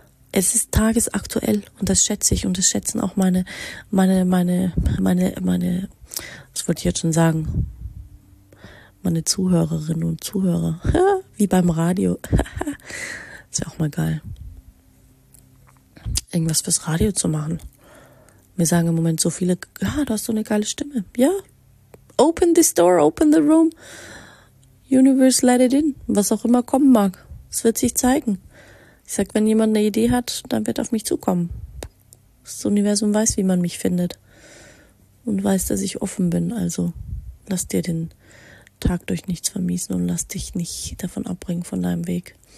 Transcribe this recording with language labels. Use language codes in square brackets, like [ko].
[de] Es ist tagesaktuell und das schätze ich und das schätzen auch meine, was wollte ich jetzt schon sagen? Meine Zuhörerinnen und Zuhörer. Wie beim Radio. Ist ja auch mal geil. Irgendwas fürs Radio zu machen. Mir sagen im Moment so viele, ja, du hast so eine geile Stimme. [en] Ja, open this door, open the room. Universe, let it in. [de] Was auch immer kommen mag. Es wird sich zeigen. Ich sag, wenn jemand eine Idee hat, dann wird auf mich zukommen. Das Universum weiß, wie man mich findet. Und weiß, dass ich offen bin. Also lass dir den Tag durch nichts vermiesen und lass dich nicht davon abbringen von deinem Weg.